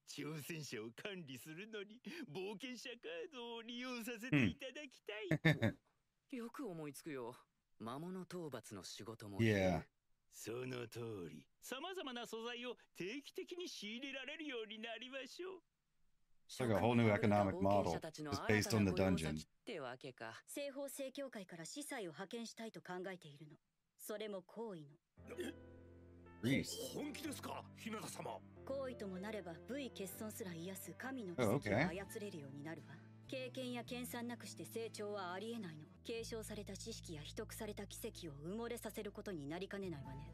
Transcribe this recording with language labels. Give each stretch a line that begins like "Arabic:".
Japanese: 挑戦者を管理するのに冒険者カードを利用させていただきたい。よく思いつくよ。魔物討伐の仕事も。
English: Yeah.
Japanese: その通り、さまざまな素材を定期的に仕入れられるようになりましょう。それが、
English: whole new economic model is based on the dungeon。
Japanese: ってわけか。西方正教会から司祭を派遣したいと考えているの。それも好意の。え？リース。本気ですか、姫様。好意ともなれば、部位欠損すら癒す神の奇跡を操れるようになるわ。経験や研鑽なくして成長はありえないの。継承された知識や秘匿された奇跡を埋もれさせることになりかねないわね。